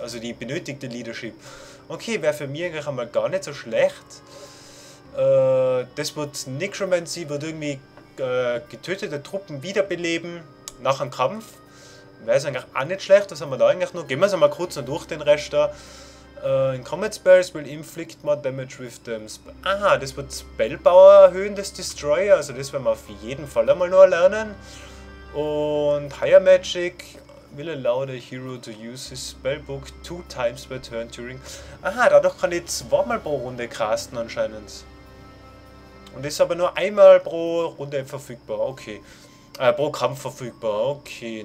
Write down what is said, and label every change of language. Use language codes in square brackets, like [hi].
[de] Also die benötigte Leadership. Okay, wäre für mich eigentlich einmal gar nicht so schlecht. Das wird Necromancy, wird irgendwie getötete Truppen wiederbeleben nach einem Kampf. Wäre es eigentlich auch nicht schlecht, das haben wir da eigentlich nur. Gehen wir es einmal kurz noch durch den Rest da. [en] In Combat Spells will inflict more damage with them. [de] Aha, das wird Spellpower erhöhen, das Destroyer. Also das werden wir auf jeden Fall einmal noch lernen. Und [en] Higher Magic will allow the hero to use his spellbook 2 times per turn during. [de] Aha, dadurch kann ich 2 mal pro Runde casten anscheinend. Und das ist aber nur einmal pro Runde verfügbar, okay. Pro Kampf verfügbar, okay.